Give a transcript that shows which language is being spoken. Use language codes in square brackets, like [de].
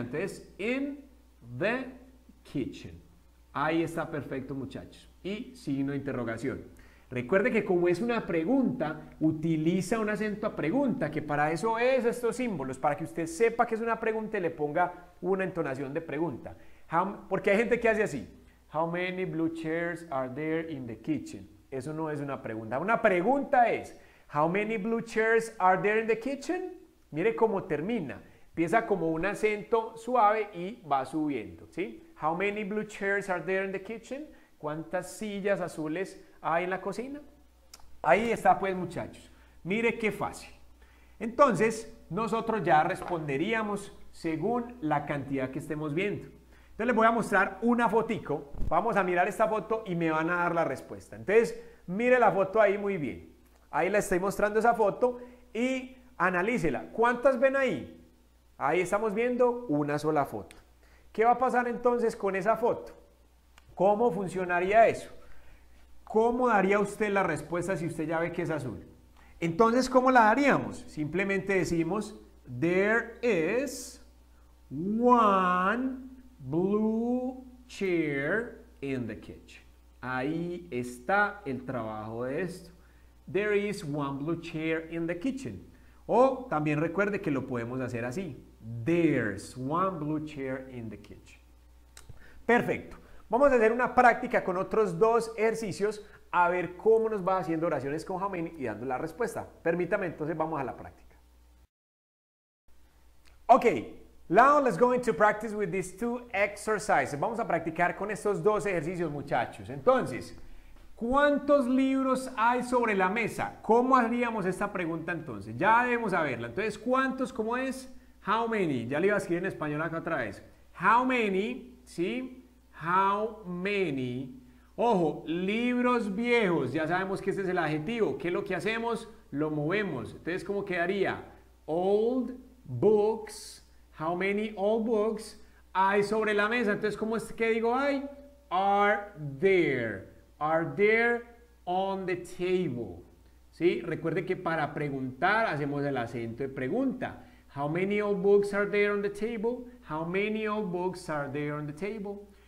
[es] Entonces, [en] in the kitchen. [es] Ahí está perfecto, muchachos. Y signo de interrogación. Recuerde que como es una pregunta, utiliza un acento a pregunta, que para eso es estos símbolos, para que usted sepa que es una pregunta y le ponga una entonación de pregunta. Porque hay gente que hace así. [en] How many blue chairs are there in the kitchen? [es] Eso no es una pregunta. Una pregunta es, [en] how many blue chairs are there in the kitchen? [es] Mire cómo termina. Empieza como un acento suave y va subiendo, ¿sí? [en] How many blue chairs are there in the kitchen? [es] ¿Cuántas sillas azules hay en la cocina? Ahí está, pues, muchachos. Mire qué fácil. Entonces, nosotros ya responderíamos según la cantidad que estemos viendo. Entonces, les voy a mostrar una fotico. Vamos a mirar esta foto y me van a dar la respuesta. Entonces, mire la foto ahí muy bien. Ahí les estoy mostrando esa foto y analícela. ¿Cuántas ven ahí? Ahí estamos viendo una sola foto. ¿Qué va a pasar entonces con esa foto? ¿Cómo funcionaría eso? ¿Cómo daría usted la respuesta si usted ya ve que es azul? Entonces, ¿cómo la daríamos? Simplemente decimos, [en] there is one blue chair in the kitchen. [es] Ahí está el trabajo de esto. [en] There is one blue chair in the kitchen. [es] O también recuerde que lo podemos hacer así. [en] There's one blue chair in the kitchen. [es] Perfecto. Vamos a hacer una práctica con otros dos ejercicios a ver cómo nos va haciendo oraciones con [en] how many [es] y dando la respuesta. Permítame, entonces vamos a la práctica. [en] Ok, now let's go into practice with these two exercises. [es] Vamos a practicar con estos dos ejercicios, muchachos. Entonces, ¿cuántos libros hay sobre la mesa? ¿Cómo haríamos esta pregunta entonces? Ya debemos saberla. Entonces, ¿cuántos? ¿Cómo es? [en] How many. [es] Ya le iba a escribir en español acá otra vez. [en] How many, [es] ¿sí? How many, ojo, libros viejos, ya sabemos que este es el adjetivo, ¿qué es lo que hacemos? lo movemos. Entonces, ¿cómo quedaría? [en] Old books. How many old books [es] hay sobre la mesa? Entonces, ¿cómo es que digo hay? [en] Are there. Are there on the table. [es] ¿Sí? Recuerde que para preguntar hacemos el acento de pregunta. [en] How many old books are there on the table? How many old books are there on the table?